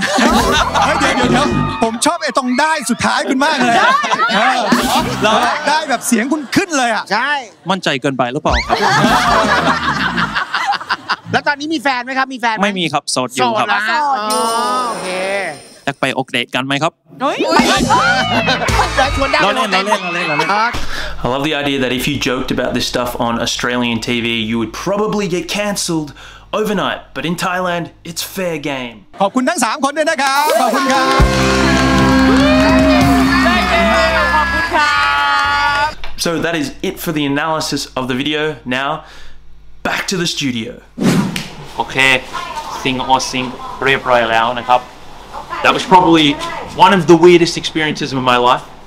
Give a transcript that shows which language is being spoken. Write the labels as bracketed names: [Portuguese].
[Thai] เดี๋ยวผมชอบไอ้ตรงได้สุดท้ายคุณมากเลย ได้ได้แบบเสียงคุณขึ้นเลยอ่ะ ใช่ มั่นใจเกินไปหรือเปล่าครับ แล้วตอนนี้มีแฟนไหมครับมีแฟน ไม่มีครับโสดอยู่ครับ โสดอยู่โอเค อยากไปออกเดทกันไหมครับ [English] I love the idea that if you joked about this stuff on Australian TV, you would probably get cancelled overnight. But in Thailand, it's fair game. [Thai] ขอบคุณทั้ง3คนด้วยนะครับขอบคุณครับ ขอบคุณครับ [English] So that is it for the analysis of the video. Now, back to the studio. Okay, sing or sing, [Thai] เรียบร้อยแล้วนะครับ [English] That was probably one of the weirdest experiences of my life.